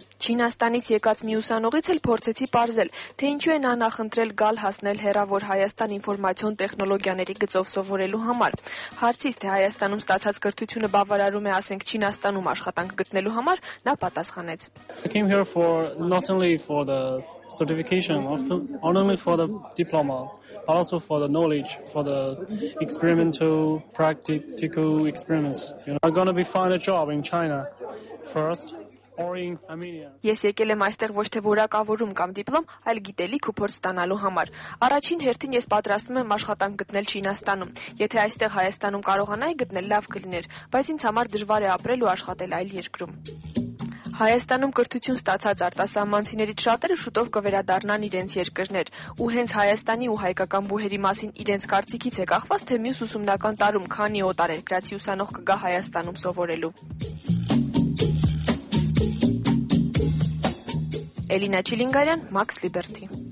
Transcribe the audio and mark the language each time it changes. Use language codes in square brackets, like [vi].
[hy] Չինաստանից եկած մի ուսանողից էլ փորձեցի պարզել, թե ինչու են անախնդրել գալ հասնել հեռավոր Հայաստան ինֆորմացիոն տեխնոլոգիաների գծով սովորելու համար։ Հարցիս, թե Հայաստանում ստացած կրթությունը բավարարում է, ասենք, Չինաստանում աշխատանք գտնելու համար, նա պատասխանեց. [en] I came here for not only for the certification, not only for the diploma, but also for the knowledge, for the experimental, practical experiments. You know, I'm going to be find a job in China first. [hy] Ես եկել եմ այստեղ ոչ թե որակավորում կամ դիպլոմ, այլ գիտելիք ու փորձ ստանալու համար։ Առաջին հերթին ես պատրաստվում եմ աշխատանք գտնել Չինաստանում։ Եթե այստեղ Հայաստանում կարողանայի գտնել, լավ կլիներ, բայց ինձ համար դժվար է ապրել ու աշխատել այլ երկրում։ Հայաստանում կրթություն ստացած արտասահմանցիներից շատերը շուտով կվերադառնան իրենց երկրներ, ու հենց Հայաստանի ու հայկական բուհերի մասին իրենց կարծիքից է կախված, թե մյուս ուսումնական տարում քանի օտար երկրացի ուսանող կգա Հայաստանում սովորելու։ Էլինա Չիլինգարյան, Մաքս Լիբերթի։